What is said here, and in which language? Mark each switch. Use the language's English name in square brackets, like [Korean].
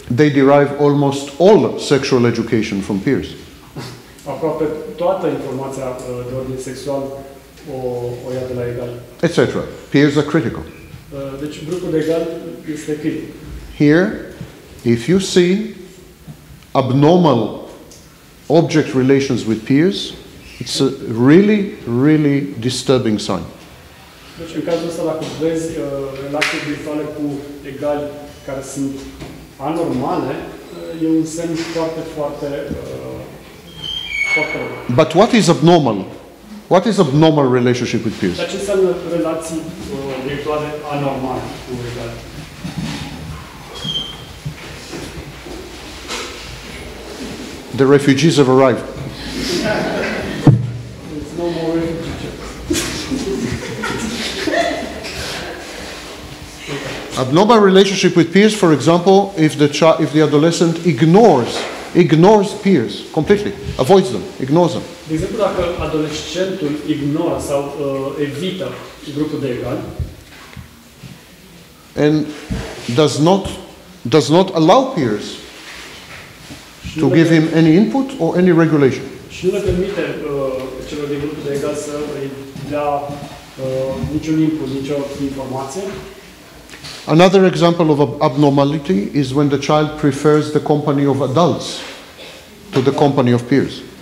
[English] They derive almost all sexual education from peers. [Romanian] Aproape toată informația de ordin sexual o ia de la egal. [English] Etc. Peers are critical. [Romanian] Deci grupul de egal este critic. [English] Here, if you see abnormal object relations with peers, it's a really, really disturbing sign. [Romanian] Deci în cazul ăsta, dacă vezi relații virtuale cu egali care sunt anormale, e un semn foarte, foarte, foarte. [English] But what is abnormal? What is abnormal relationship with peers? [Romanian] Dar ce înseamnă relații virtuale anormale cu egali? [English] The refugees have arrived. It's no more refugees. Abnormal relationship with peers, for example, if the adolescent ignores peers completely, avoids them, ignores them. [Romanian] De exemplu, dacă adolescentul ignoră sau evită grupul de egal. [English] And does not allow peers to give him any input or any regulation. [Romanian] Și nu le permite celor din grupul de egal să îi dea niciun input, nicio informație. [English] Another example of abnormality is when the child prefers the company of adults to the company of peers.